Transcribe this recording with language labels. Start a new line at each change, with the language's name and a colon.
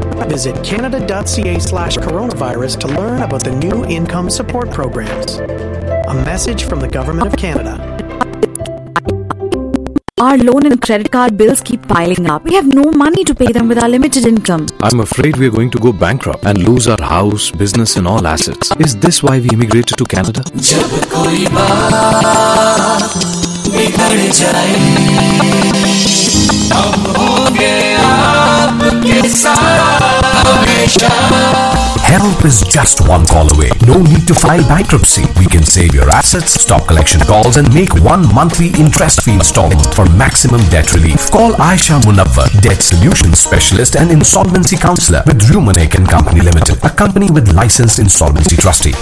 English: Visit canada.ca/coronavirus to learn about the new income support programs. A message from the Government of Canada. Our loan and credit card bills keep piling up. We have no money to pay them with our limited income. I'm afraid we are going to go bankrupt and lose our house, business and all assets. Is this why we immigrated to Canada?
Hindi: जब कोई बात बिगड़ जाए, अब होंगे आपके साथ हमेशा.
English: Help is just one call away. No need to file bankruptcy. We can save your assets, stop collection calls and make one monthly interest-free installment for maximum debt relief. Call Aisha Munawwar, Debt Solutions Specialist and Insolvency Counselor with Rumanek & Company Limited, a company with licensed insolvency trustee.